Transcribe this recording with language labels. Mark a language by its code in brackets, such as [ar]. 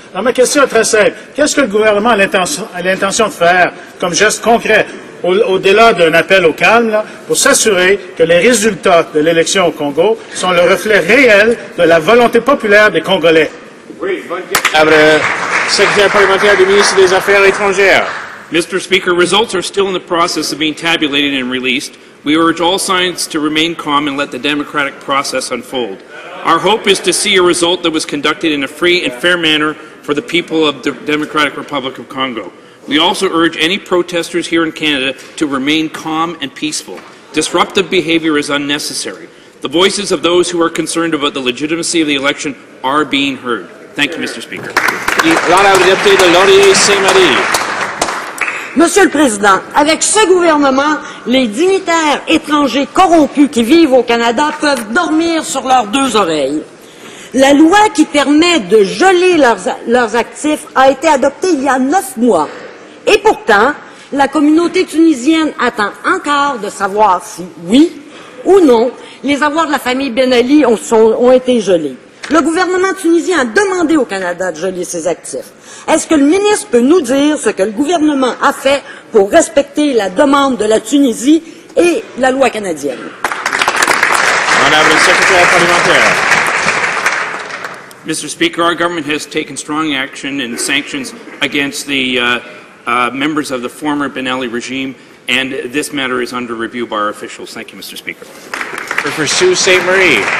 [fr] Alors, ma question est très simple. Qu'est-ce que le gouvernement a l'intention de faire comme geste concret au-delà d'un appel au calme, là, pour s'assurer que les résultats de l'élection au Congo sont le reflet réel de la volonté populaire des Congolais? Oui, bonne question. Alors, secrétaire parlementaire du ministre des Affaires étrangères. [en] Mr. Speaker, results are still in the process of being tabulated and released. We urge all sides to remain calm and let the democratic process unfold. Our hope is to see a result that was conducted in a free and fair manner for the people of the Democratic Republic of Congo. We also urge any protesters here in Canada to remain calm and peaceful. Disruptive behavior is unnecessary. The voices of those who are concerned about the legitimacy of the election are being heard. Thank you, Mr. Speaker. [fr] L'honorable député de Laurier-Saint-Marie. Monsieur le Président, avec ce gouvernement, les dignitaires étrangers corrompus qui vivent au Canada peuvent dormir sur leurs deux oreilles. La loi qui permet de geler leurs actifs a été adoptée il y a 9 mois. Et pourtant, la communauté tunisienne attend encore de savoir si, oui ou non, les avoirs de la famille Ben Ali ont été gelés. Le gouvernement tunisien a demandé au Canada de geler ses actifs. Est-ce que le ministre peut nous dire ce que le gouvernement a fait pour respecter la demande de la Tunisie et la loi canadienne? Madame la secrétaire parlementaire. [en] Mr. Speaker, our government has taken strong action and sanctions against the members of the former Ben Ali regime, and this matter is under review by our officials. Thank you, Mr. Speaker. For Sault Ste. Marie.